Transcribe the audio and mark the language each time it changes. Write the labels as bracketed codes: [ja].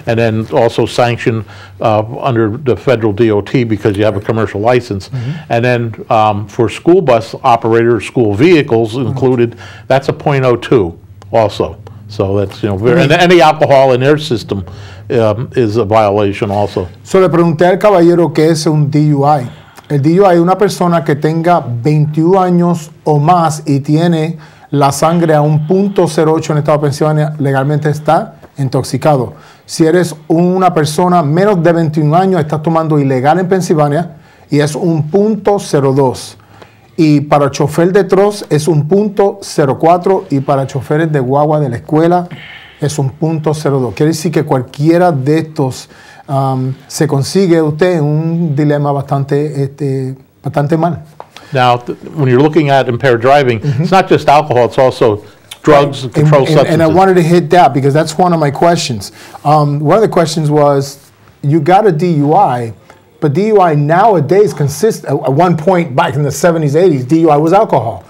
[en] And then also sanction under the federal DOT because you have a commercial license. Mm-hmm. And then for school bus operators, school vehicles included, that's a 0.02 also. So that's, you know, very, and any alcohol in their system is a violation also. [es] So le pregunté al caballero que es un DUI. El DUI es una persona que tenga 21 años o más y tiene la sangre a un .08 en el estado de Pensilvania, legalmente está intoxicado. Si eres una persona menos de 21 años, estás tomando ilegal en Pensilvania y es un .02. Y para chofer de troz es un .04 y para choferes de guagua de la escuela es un .02. Quiere decir que cualquiera de estos se consigue usted en un dilema bastante, bastante mal. [en] Now, when you're looking at impaired driving, it's not just alcohol, it's also drugs, right, and controlled substances. And I wanted to hit that because that's one of my questions. One of the questions was, you got a DUI, but DUI nowadays consists, at one point back in the 70s, 80s, DUI was alcohol.